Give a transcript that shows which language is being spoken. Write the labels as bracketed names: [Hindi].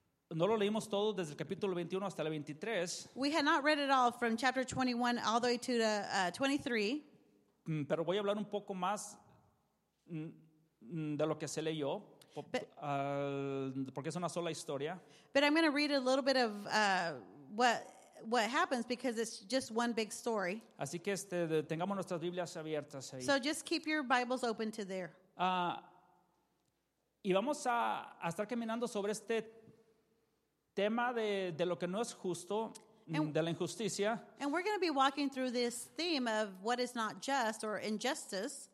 [Spanish] No lo leímos todo desde el capítulo 21 hasta el 23. [English] We had not read it all from chapter 21 all the way to 23. [Spanish] Pero voy a hablar un poco más de lo que se leyó. Porque es una sola historia. [English] But I'm going to read a little bit of what happens because it's just one big story. [Spanish] Así que tengamos nuestras Biblias abiertas ahí. [English] So just keep your Bibles open to there. [Spanish] Y vamos a estar caminando sobre este tema de lo que no es justo, de la injusticia. [English] And we're going to be walking through this theme of what is not just or injustice.